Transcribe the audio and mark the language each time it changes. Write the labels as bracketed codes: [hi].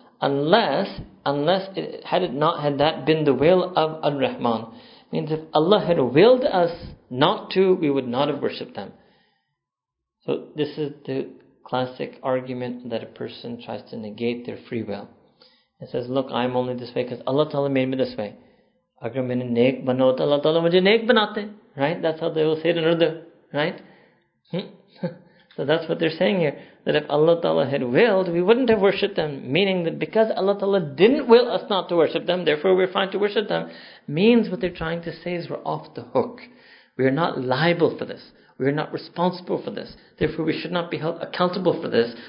[en] unless it had it not had that been the will of Ar-Rahman. Means if Allah had willed us not to, we would not have worshipped them. So this is the classic argument that a person tries to negate their free will. It says, look, I'm only this way because Allah Ta'ala made me this way. [ur] اگر میں نے نیک بنا ہوتا، اللہ تعالیٰ مجھے نیک بناتے۔ [en] Right? That's how they will say it in Urdu. Right? So that's what they're saying here. That if Allah Ta'ala had willed, we wouldn't have worshipped them. Meaning that because Allah Ta'ala didn't will us not to worship them, therefore we're fine to worship them, means what they're trying to say is we're off the hook. We are not liable for this. We are not responsible for this. Therefore we should not be held accountable for this.